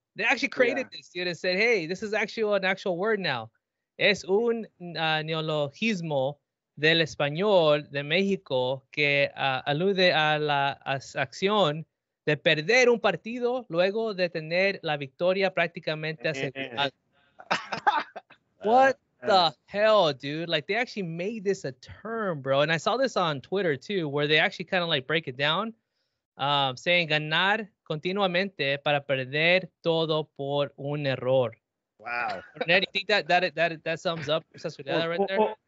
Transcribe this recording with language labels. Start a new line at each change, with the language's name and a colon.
English: They actually created this, dude, and said, hey, this is actually an actual word now.
Spanish: Es un neologismo del español de México que alude a la acción de perder un partido luego de tener la victoria prácticamente asegurada.
English: What the hell, dude? Like, they actually made this a term, bro. And I saw this on Twitter, too, where they actually kind of, like, break it down, saying
Spanish: ganar continuamente para perder todo por un error.
English: Wow. Ned, you think that sums up Cruzazulear right there?